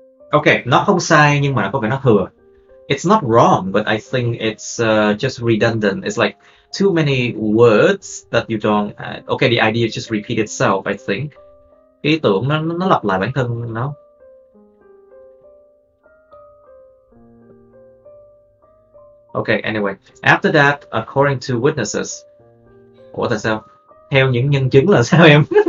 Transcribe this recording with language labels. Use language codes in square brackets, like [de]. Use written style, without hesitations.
[vi] Ok, nó không sai nhưng mà nó có vẻ nó thừa. [en] it's not wrong, but I think it's just redundant. It's like too many words that you don't. Okay, the idea just repeat itself. I think. [vi] Cái ý tưởng nó lặp lại bản thân nó. [en] Okay, anyway, after that, according to witnesses, [vi] ủa tại sao? Theo những nhân chứng là sao em?